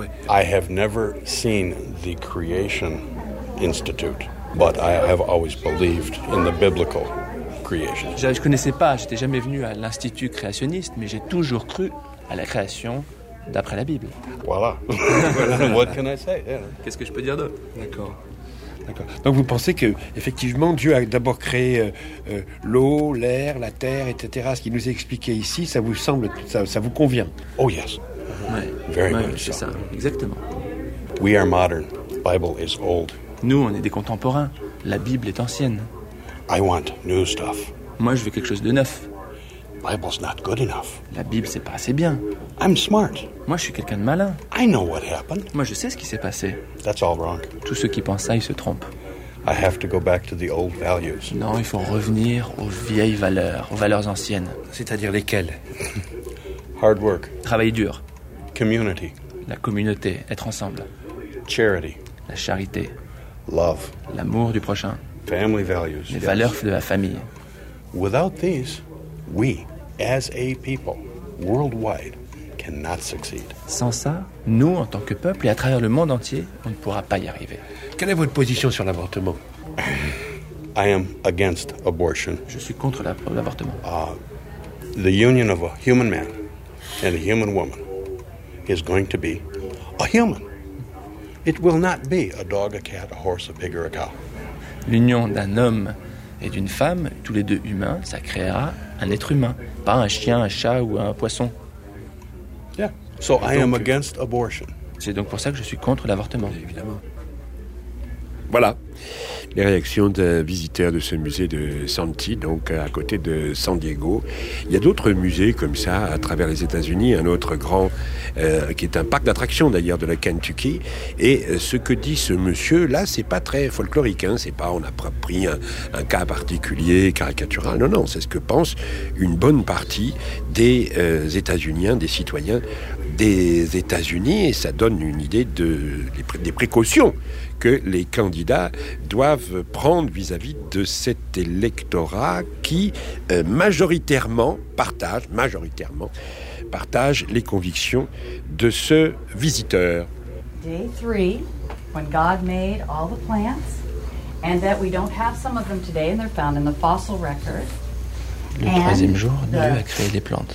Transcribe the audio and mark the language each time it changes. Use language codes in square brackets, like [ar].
[en] I have never seen the Creation Institute, but I have always believed in the biblical creation. [fr] Je connaissais pas, j'étais jamais venu à l'Institut créationniste, mais j'ai toujours cru à la création d'après la Bible. [en] Voilà. What can I say? [fr] Qu'est-ce que je peux dire d'autre? D'accord. Donc vous pensez que effectivement Dieu a d'abord créé l'eau, l'air, la terre, etc. Ce qu'il nous a expliqué ici, ça vous semble, ça vous convient? [en] Oh yes. [fr] Ouais. [en] Very [fr] ouais, [en] much. [fr] C'est [en] so. [fr] Ça. Exactement. [en] We are modern. Bible is old. [fr] Nous, on est des contemporains. La Bible est ancienne. [en] I want new stuff. [fr] Moi, je veux quelque chose de neuf. [en] Bible's not good enough. [fr] La Bible, c'est pas assez bien. [en] I'm smart. [fr] Moi, je suis quelqu'un de malin. [en] I know what happened. [fr] Moi, je sais ce qui s'est passé. [en] That's all wrong. [fr] Tous ceux qui pensent ça, ils se trompent. [en] I have to go back to the old values. [fr] Non, il faut revenir aux vieilles valeurs, aux valeurs anciennes. C'est-à-dire lesquelles ? [en] Hard work. [fr] Travailler dur. [en] Community. [fr] La communauté, être ensemble. [en] Charity. [fr] La charité. [en] Love. [fr] L'amour du prochain. [en] Family values. [fr] Les valeurs de la famille. [en] Without these, we, as a people, worldwide, cannot succeed. [fr] Sans ça, nous, en tant que peuple et à travers le monde entier, on ne pourra pas y arriver. Quelle est votre position sur l'avortement? [en] I am against abortion. [fr] Je suis contre l'avortement. [en] The union of a human man and a human woman is going to be a human. It will not be a dog, a cat, a horse, a pig or a cow. [fr] L'union d'un homme et d'une femme, tous les deux humains, ça créera un être humain, pas un chien, un chat ou un poisson. [en] Yeah. So I am against abortion. [fr] C'est donc pour ça que je suis contre l'avortement. Évidemment. Voilà les réactions d'un visiteur de ce musée de Santee, donc à côté de San Diego. Il y a d'autres musées comme ça à travers les États-Unis, un autre grand, qui est un parc d'attractions d'ailleurs de la Kentucky. Et ce que dit ce monsieur-là, c'est pas très folklorique, hein. C'est pas on a pris un cas particulier, caricatural. Non, non, c'est ce que pense une bonne partie des États-Uniens, des citoyens des États-Unis. Et ça donne une idée des précautions que les candidats doivent prendre vis-à-vis de cet électorat qui majoritairement partage les convictions de ce visiteur. [en] Day 3, when God made all the plants, and that we don't have some of them today, and they're found in the fossil record. [fr] Le troisième jour, Dieu a créé les plantes.